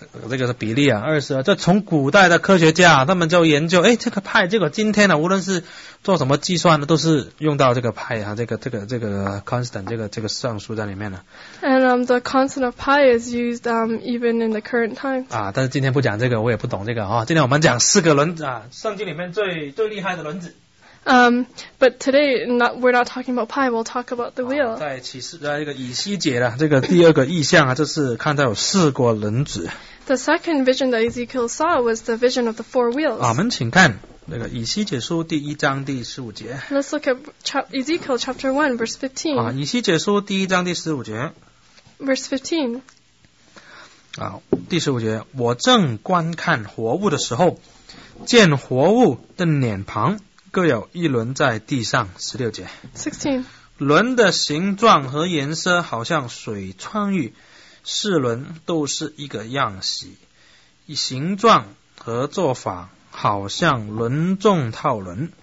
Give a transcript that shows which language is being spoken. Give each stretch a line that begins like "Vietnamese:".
Chinese: 这个是比例啊，22。这从古代的科学家、他们就研究，这个派，结果今天呢，无论是做什么计算的，都是用到这个派啊，这个 constant 这个上数在里面了。
English: And the constant of pi is used even in the current times.
Chinese: 但是今天不讲这个，我也不懂这个啊。今天我们讲四个轮子啊，圣经里面最厉害的轮子。
English: But today we're not talking about pi. We'll talk about the wheel.
Chinese: 在启示在一个以西结的这个第二个意象啊，就是看到有四个轮子。
English: The second vision that Ezekiel saw was the vision of the four wheels.
Chinese: 我们请看那个以西结书第一章第十五节。
English: Let's look at Ezekiel chapter 1 verse 15.
Chinese: 以西结书第一章第十五节。
English: Verse 15.
Chinese: 第十五节，我正观看活物的时候，见活物的脸庞。各有一轮在地上，16节。 16. 轮的形状和颜色好像水穿玉，四轮都是一个样式，形状和做法好像轮中套轮。